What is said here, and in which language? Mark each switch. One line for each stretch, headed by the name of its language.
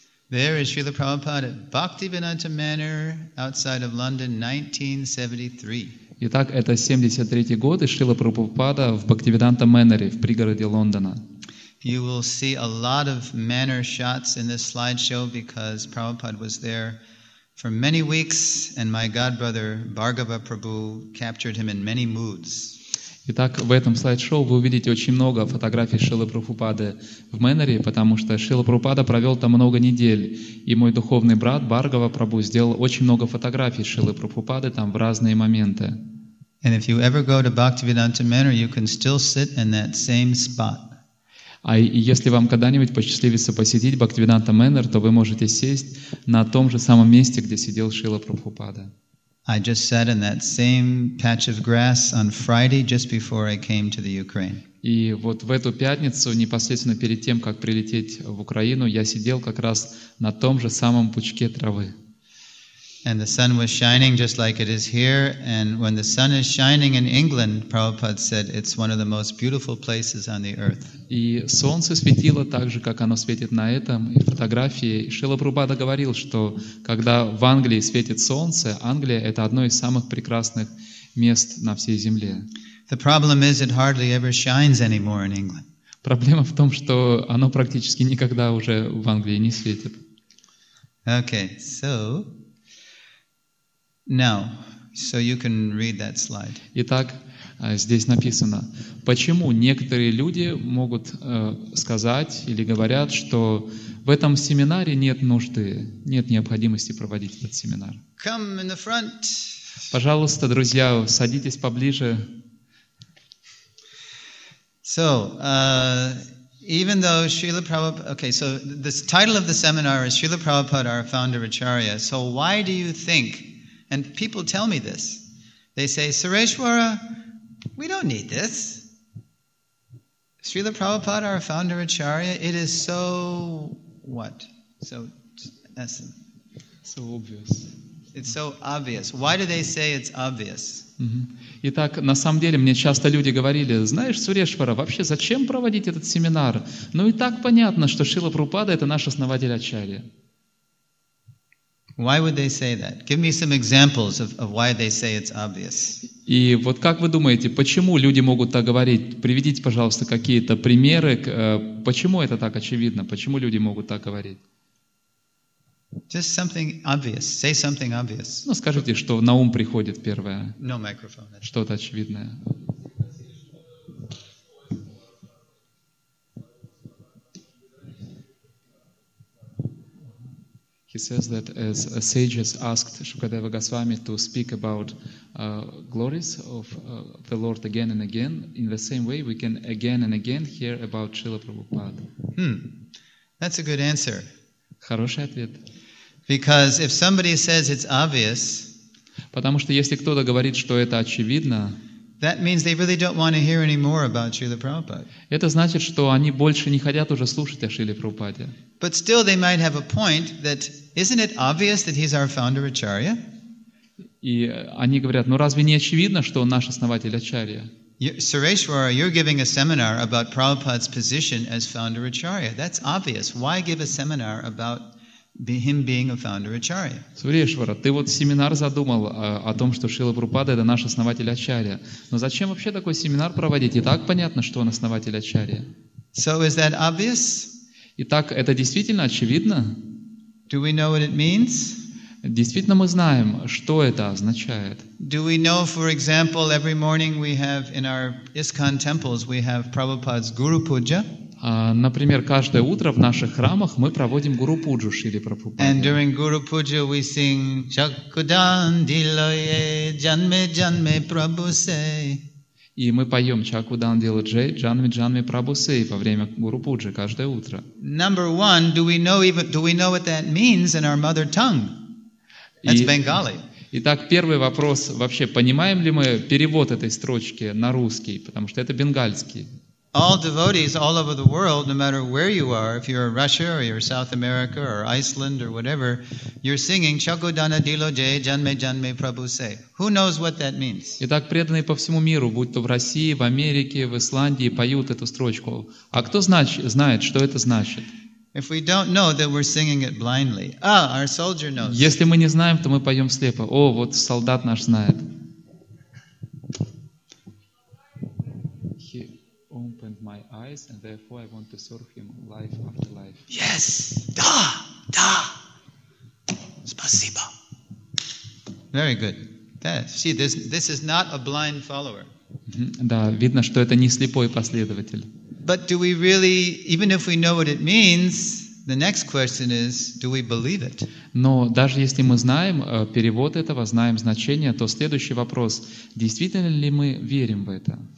English: There is Srila Prabhupada at Bhaktivedanta Manor outside of London, 1973.
Russian: Итак, это 73-й год, и Шрила Прабхупада в Бхактивиданта Мэннере, в пригороде Лондона.
English: You will see a lot of manor shots in this slideshow because Prabhupada was there for many weeks and my godbrother Bhargava Prabhu captured him in many moods.
Russian: Итак, в этом слайд-шоу вы увидите очень много фотографий Шрилы Прабхупады в Мэннере, потому что Шрила Прабхупада провел там много недель, и мой духовный брат Бхаргава Прабху сделал очень много фотографий Шрилы Прабхупады там в разные моменты.
English: And if you ever go to Bhaktivedanta Manor, you can still sit in that same spot.
Russian: А если вам когда-нибудь посчастливится посетить Бхактивиданта Мэннер, то вы можете сесть на том же самом месте, где сидел Шрила Прабхупада.
English: I just sat in that same patch of grass on Friday, just before I came to the Ukraine.
Russian: И вот в эту пятницу, непосредственно перед тем, как прилететь в Украину, я сидел как раз на том же самом пучке травы.
English: And the sun was shining just like it is here. And when the sun is shining in England, Prabhupada said, it's one of the most beautiful places on the earth.
Russian: И солнце светило так же, как оно светит на этом и фотографии. Шрила Прабхупада говорил, что когда в Англии светит солнце, Англия — это одно из самых прекрасных мест на всей земле.
English: The problem is, it hardly ever shines anymore in England.
Russian: Проблема в том, что оно практически никогда уже в Англии не светит.
English: Okay, so now, so you can read that slide.
Russian: Итак, здесь написано, почему некоторые люди могут сказать или говорят, что в этом семинаре нет нужды, нет необходимости проводить этот семинар.
English: Come in the front.
Russian: Пожалуйста, друзья, садитесь поближе.
English: So, even though Srila Prabhupada, okay, so the title of the seminar is Srila Prabhupada, our founder Acharya. So why do you think? And people tell me this. They say, Sureshwara, we don't need this. Srila Prabhupada, our founder Acharya, it is so what? So essence. So obvious. It's so obvious. Why do they say it's obvious?
Russian: Итак, на самом деле, мне часто люди говорили, знаешь, Сурешвара, вообще зачем проводить этот семинар? Ну и так понятно, что Шрила Прабхупада — это наш основатель Ачарьи.
English: Why would they say that? Give me some examples of why they say it's obvious.
Russian: И вот как вы думаете, почему люди могут так говорить? Приведите, пожалуйста, какие-то примеры, почему это так очевидно? Почему люди могут так говорить?
English: Just something obvious. Say something obvious.
Russian: Ну, скажите, что на ум приходит первое.
English: No microphone.
Russian: Что-то очевидное.
English: He says that as sages asked Shukadeva Goswami to speak about glories of the Lord again and again, in the same way we can again and again hear about Srila Prabhupada. That's a good answer.
Russian: Хороший ответ.
English: Because if somebody says it's obvious,
Russian: потому что если кто-то говорит, что это очевидно,
English: That means they really don't want to hear any more about Srila Prabhupada.
Russian: Это значит, что они больше не хотят уже слушать о Шриле Прабхупаде.
English: But still they might have a point that isn't it obvious that he's our founder Acharya?
Russian: И они говорят: "Ну разве не очевидно, что он наш основатель Ачарья?"
English: Sureshwara, you're giving a seminar about Prabhupada's position as founder Acharya. That's obvious. Why give a seminar about him being a founder Acharya?
Russian: Сурешвара, ты вот семинар задумал о том, что Шрила Прабхупада это наш основатель Ачарья. Но зачем вообще такой семинар проводить? И так понятно, что он основатель Ачарья.
English: So is that obvious?
Russian: Итак, это действительно очевидно?
English: Do we know what it means?
Russian: Действительно мы знаем, что это означает?
English: Do we know, for example, every morning we have in our ISKCON temples we have Prabhupada's Guru Puja?
Russian: Например, каждое утро в наших храмах мы проводим Гуру Пуджу Шрили Прабхупаде.
English: And during Guru Puja we sing Чакудандилое Джанме Джанме Прабусей.
Russian: И мы поем Чакудандилое Джанме Джанме Прабусей во время Гуру Пуджи каждое утро.
English: Number one, do we know what that means in our mother tongue? That's Bengali.
Russian: Итак, первый вопрос вообще, понимаем ли мы перевод этой строчки на русский, потому что это бенгальский.
English: All devotees all over the world, no matter where you are, if you're in Russia or you're in South America or Iceland or whatever, you're singing Chagodana Diloje Janme Janme Prabhuse. Who knows what that means?
Russian: Итак, преданные по всему миру, будь то в России, в Америке, в Исландии, поют эту строчку. А кто знает, что это значит?
English: If we don't know, then we're singing it blindly. Ah, our soldier knows.
Russian: Если мы не знаем, то мы поем слепо. О, вот солдат наш знает.
English: He opened my eyes, and therefore I want to serve him life after life. Yes!
Russian: Da! Da! Спасибо!
English: Very good. See, this is not a blind follower.
Russian: Да, видно, что это не слепой последователь.
English: But do we really, even if we know what it means, the next question is, do we believe it?
Russian: Но даже если мы знаем перевод этого, знаем значение, то следующий вопрос, действительно ли мы верим в это?